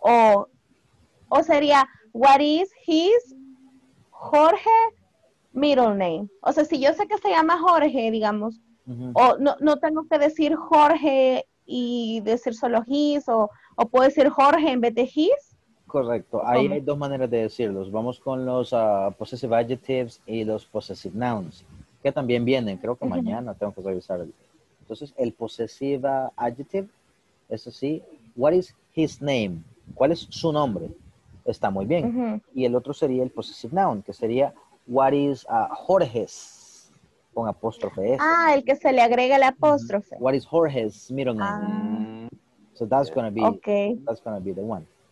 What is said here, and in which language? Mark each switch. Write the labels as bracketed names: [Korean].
[Spanish] O sería, [English] what is his Jorge middle name? [Spanish] O sea, si yo sé que se llama Jorge, digamos, o no tengo que decir Jorge y decir solo his, o puedo decir Jorge en vez de his. Correcto. Ahí hay dos maneras de decirlos. Vamos con los possessive adjectives y los possessive nouns, que también vienen, creo que mañana tengo que revisar. Entonces, el possessive adjective es así. [English] What is his name? [Spanish] ¿Cuál es su nombre? Está muy bien. Y el otro sería el possessive noun, que sería... [English] What is Jorge's, [Spanish] con apóstrofe S. Ah, el que se le agrega el apóstrofe. [English] What is Jorge's middle name? So that's going to be, that's going to be the one.